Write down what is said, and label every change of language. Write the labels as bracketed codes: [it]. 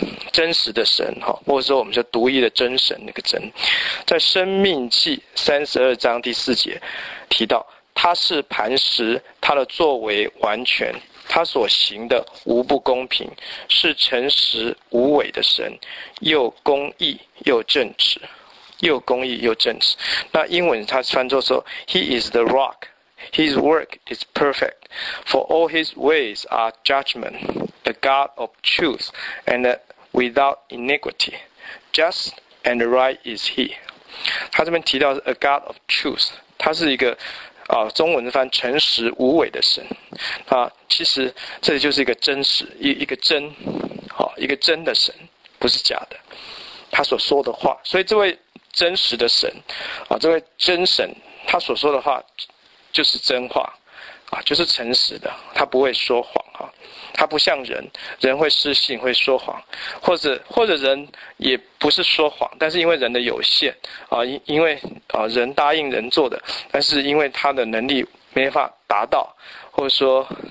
[zh] 真实的神哈，或者说我们叫独一的真神那个真，在生命记32:4提到，他是磐石，他的作为完全，他所行的无不公平，是诚实无伪的神，又公义又正直，又公义又正直。那英文他翻作说 [en] ，He is the rock, His work is perfect, for all His ways are judgment, the God of truth and without iniquity, just and right is He. [zh] 他这边提到 [en] a God of truth。 [zh] 他是一个中文翻诚实无伪的神啊，其实这就是一个真实一个真的神，不是假的，他所说的话。所以这位真实的神啊，这位真神，他所说的话就是真话啊，就是诚实的，他不会说谎啊，他不像人会失信会说谎，或者人也不是说谎，但是因为人的有限因为人答应人做的，但是因为他的能力没法达到，或者说